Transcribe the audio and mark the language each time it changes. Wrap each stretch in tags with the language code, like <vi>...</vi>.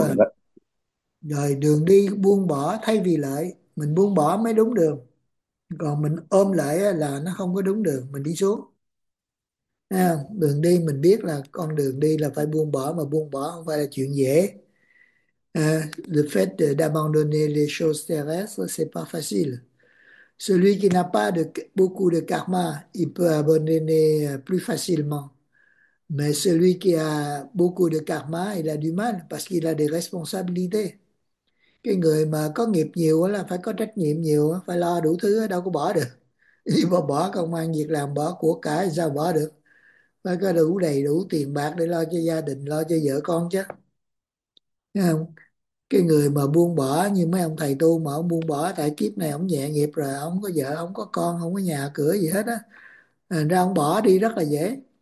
<vi>Đúng rồi, đường đi buông bỏ thay vì lợi, mình buông bỏ mới đúng đường. Còn mình ôm lại là nó không có đúng đường, mình đi xuống. Đường đi mình biết là con đường đi là phải buông bỏ, mà buông bỏ không phải là chuyện dễ.</vi> <fr>Le fait d'abandonner les choses terrestres, c'est pas facile. Celui qui n'a pas de beaucoup de karma, il peut abandonner plus facilement. Mais celui qui a beaucoup de karma, il a du mal parce qu'il a des responsabilités.</fr> <vi>Cái người mà có nghiệp nhiều là phải có trách nhiệm nhiều, phải lo đủ thứ, đâu có bỏ được. Đi bỏ công ăn việc làm, bỏ của cải, sao bỏ được? Phải có đủ đầy đủ tiền bạc để lo cho gia đình, lo cho vợ con chứ. Thấy không? Cái người mà buông bỏ như mấy ông thầy tu mà ông buông bỏ tại kiếp này ông nhẹ nghiệp rồi, ông có vợ, ông có con, không có nhà cửa gì hết á. Thành ra ông bỏ đi rất là dễ.</vi>